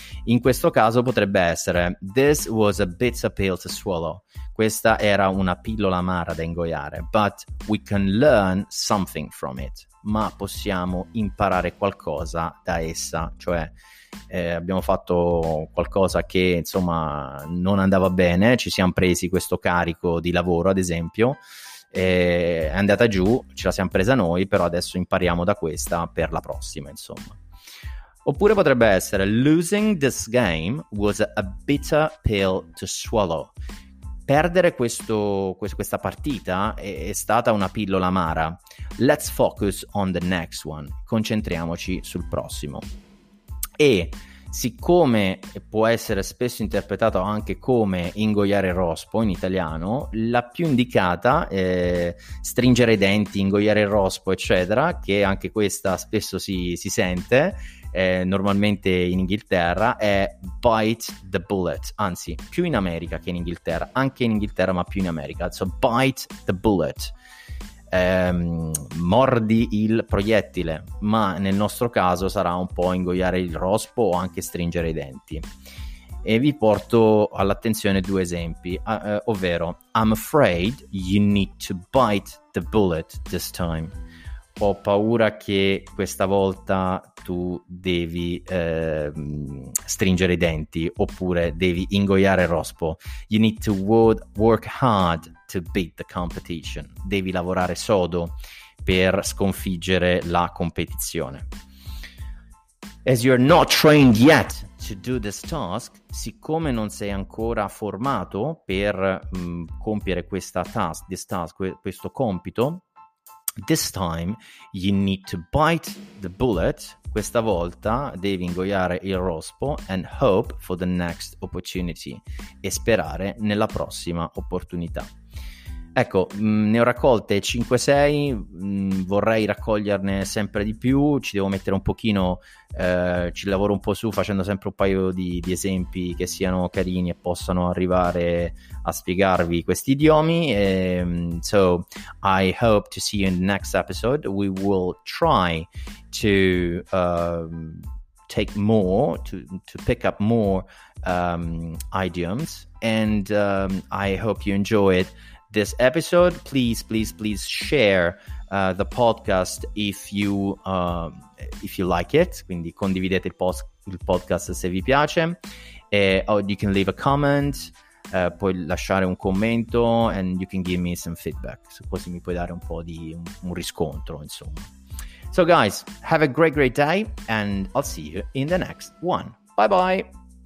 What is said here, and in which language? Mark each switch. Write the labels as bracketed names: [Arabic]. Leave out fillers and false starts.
[Italian] In questo caso potrebbe essere: [English] this was a bitter pill to swallow, [Italian] questa era una pillola amara da ingoiare, [English] but we can learn something from it, [Italian] ma possiamo imparare qualcosa da essa. Cioè abbiamo fatto qualcosa che insomma non andava bene, ci siamo presi questo carico di lavoro ad esempio, è andata giù, ce la siamo presa noi, però adesso impariamo da questa per la prossima, insomma. Oppure potrebbe essere: [English] losing this game was a bitter pill to swallow. [Italian] Perdere questa partita è stata una pillola amara. [English] Let's focus on the next one. [Italian] Concentriamoci sul prossimo. E siccome può essere spesso interpretato anche come ingoiare il rospo in italiano, la più indicata è stringere i denti, ingoiare il rospo, eccetera, che anche questa spesso si sente normalmente in Inghilterra, è bite the bullet, anzi più in America che in Inghilterra, anche in Inghilterra ma più in America. [English] So bite the bullet, [Italian] mordi il proiettile, ma nel nostro caso sarà un po' ingoiare il rospo o anche stringere i denti. E vi porto all'attenzione due esempi, ovvero: [English] I'm afraid you need to bite the bullet this time. [Italian] Ho paura che questa volta tu devi stringere i denti, oppure devi ingoiare il rospo. [English] You need to work hard to beat the competition. [Italian] Devi lavorare sodo per sconfiggere la competizione. [English] As you're not trained yet to do this task, [Italian] siccome non sei ancora formato per compiere questa task, this task, questo compito, [English] This time you need to bite the bullet. [Italian] Questa volta devi ingoiare il rospo [English] and hope for the next opportunity. [Italian] E sperare nella prossima opportunità. Ecco, ne ho raccolte 5-6, vorrei raccoglierne sempre di più, ci devo mettere un pochino, ci lavoro un po' su facendo sempre un paio di esempi che siano carini e possano arrivare a spiegarvi questi idiomi. [English] So, I hope to see you in the next episode. We will try to take more, to pick up more idioms, and I hope you enjoy it. This episode, please share the podcast if you like it. [Italian] Quindi condividete il podcast se vi piace. [English] Or you can leave a comment, [Italian] puoi lasciare un commento, [English] and you can give me some feedback. [Italian] So così mi puoi dare un po' di un riscontro, insomma. [English] So guys, have a great day, and I'll see you in the next one. Bye bye.